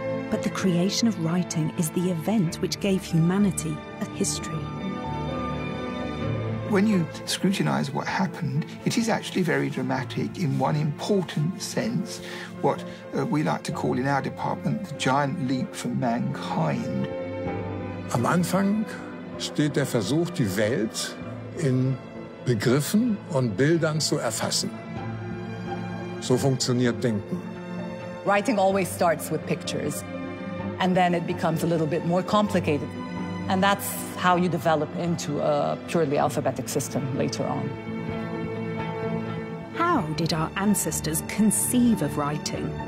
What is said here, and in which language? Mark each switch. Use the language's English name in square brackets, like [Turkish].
[English] But the creation of writing is the event which gave humanity a history. When you scrutinize what happened, it is actually very dramatic in one important sense, what we like to call in our department the giant leap for mankind. [German] Am Anfang steht der Versuch, die Welt in Begriffen und Bildern zu erfassen. So funktioniert Denken. [English] Writing always starts with pictures, and then it becomes a little bit more complicated. And that's how you develop into a purely alphabetic system later on. How did our ancestors conceive of writing?